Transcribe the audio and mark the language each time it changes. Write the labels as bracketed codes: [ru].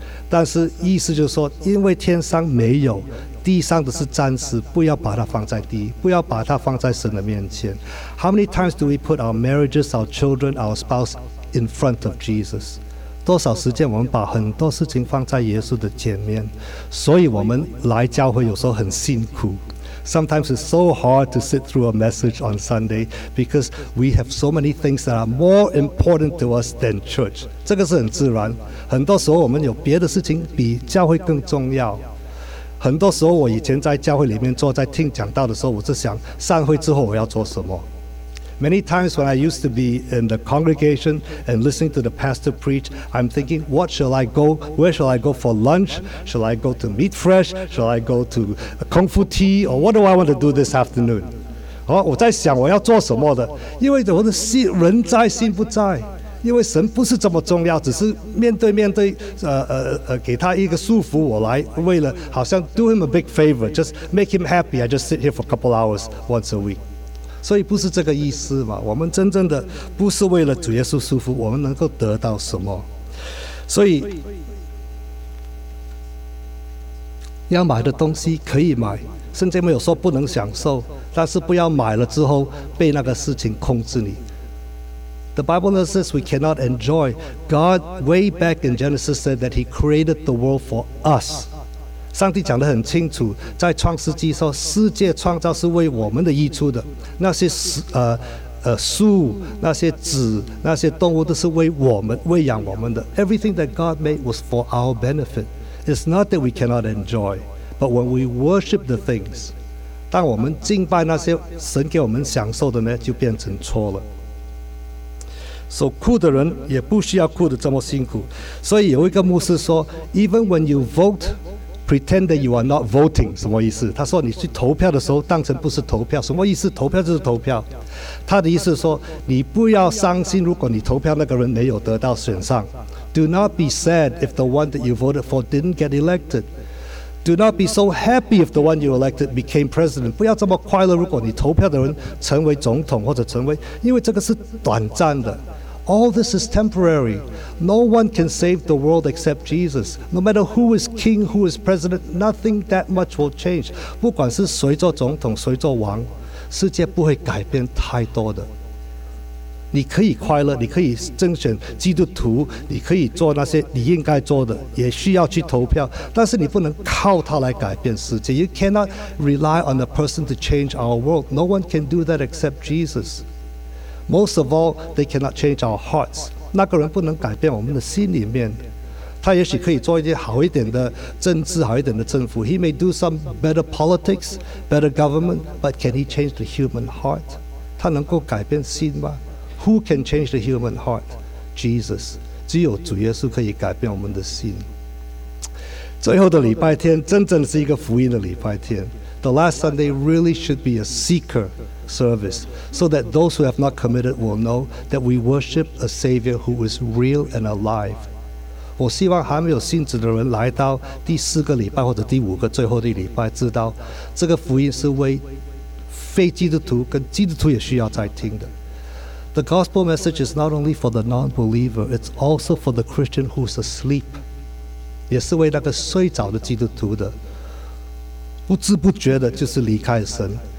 [zh] 这个不是给我们失望，好像哦，现在我在天上没有伴，不是这个意思。但是意思就是说，因为天上没有。地上的是暂时，不要把它放在第一，不要把它放在神的面前。 [en] How many times do we put our marriages, our children, our spouse in front of Jesus? [zh] 多少时间我们把很多事情放在耶稣的前面？所以我们来教会有时候很辛苦。 [en] Sometimes it's so hard to sit through a message on Sunday because we have so many things that are more important to us than church. [zh] 这个是很自然。很多时候我们有别的事情比教会更重要。很多时候我以前在教会里面坐在听讲道的时候，我是想散会之后我要做什么。 [en] Many times when I used to be in the congregation and listening to the pastor preach, I'm thinking, what shall I go? Where shall I go for lunch? Shall I go to Meat Fresh? Shall I go to a Kung Fu Tea? Or what do I want to do this afternoon? [zh] 我在想我要做什么的，因为我的心人在心不在。因为神不是这么重要，只是面对面对，给他一个祝福，我来为了好像 [en] do him a big favor, just make him happy. I just sit here for a couple hours once a week. [zh] 所以不是这个意思嘛？我们真正的不是为了主耶稣祝福，我们能够得到什么？所以要买的东西可以买，圣经没有说不能享受，但是不要买了之后被那个事情控制你。 [en] The Bible says we cannot enjoy. God way back in Genesis said that He created the world for us. [zh] 上帝讲得很清楚，在创世纪说世界创造是为我们的益处的。那些树，那些籽，那些动物都是为我们喂养我们的。 [en] Everything that God made was for our benefit. It's not that we cannot enjoy, but when we worship the things, [zh] 当我们敬拜那些神给我们享受的呢，就变成错了。 So, 哭的人也不需要哭得这么辛苦。所以有一个牧师说 [en] ,Even when you vote, pretend that you are not voting. [zh] 什么意思？他说你去投票的时候当成不是投票。什么意思？投票就是投票。他的意思是说你不要伤心如果你投票那个人没有得到选上。 [en] Do not be sad if the one that you voted for didn't get elected. Do not be so happy if the one you elected became president. [zh] 不要这么快乐如果你投票的人成为总统或者成为，因为这个是短暂的。 [en] All this is temporary. No one can save the world except Jesus. No matter who is king, who is president, nothing that much will change. [zh] 不管是谁做总统，谁做王，世界不会改变太多的。你可以快乐，你可以竞选基督徒，你可以做那些你应该做的，也需要去投票，但是你不能靠它来改变世界。 [en] You cannot rely on a person to change our world. No one can do that except Jesus. Most of all, they cannot change our hearts. [zh] 那个人不能改变我们的心里面。他也许可以做一些好一点的政治，好一点的政府。 [en] He may do some better politics, better government, but can he change the human heart? [zh] 他能够改变心吗？ [en] Who can change the human heart? Jesus. [zh] 只有主耶稣可以改变我们的心。最后的礼拜天真正是一个福音的礼拜天。 [en] The last Sunday really should be a seeker. Service, so that those who have not committed will know that we worship a Savior who is real and alive. [zh] 我希望还没有信主的人来到第四个礼拜或者第五个最后的礼拜，知道这个福音是为非基督徒跟基督徒也需要在听的。 [en] The gospel message is not only for the non-believer; it's also for the Christian who's asleep. [zh] 也是为那个睡着的基督徒的，不知不觉的就是离开神。